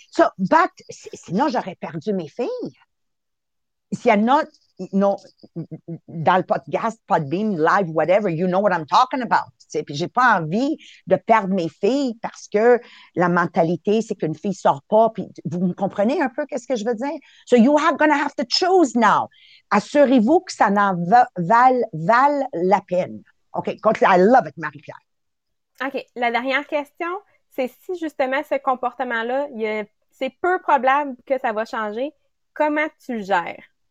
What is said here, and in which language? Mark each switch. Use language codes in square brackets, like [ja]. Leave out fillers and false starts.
[en] So, but, [fr] sinon, j'aurais perdu mes filles. S'il y en a, non, dans le podcast, Podbeam, [en] live, whatever, you know what I'm talking about. [fr] T'sais? Puis j'ai pas envie de perdre mes filles parce que la mentalité, c'est qu'une fille sort pas. Puis vous me comprenez un peu qu'est-ce que je veux dire? [en] So you are gonna have to choose now. [fr] Assurez-vous que ça n'en vale la peine. [en] OK, continue. I love it, Marie-Pierre. [fr] OK, la dernière question, c'est si justement ce comportement-là, c'est peu probable que ça va changer, comment tu le gères?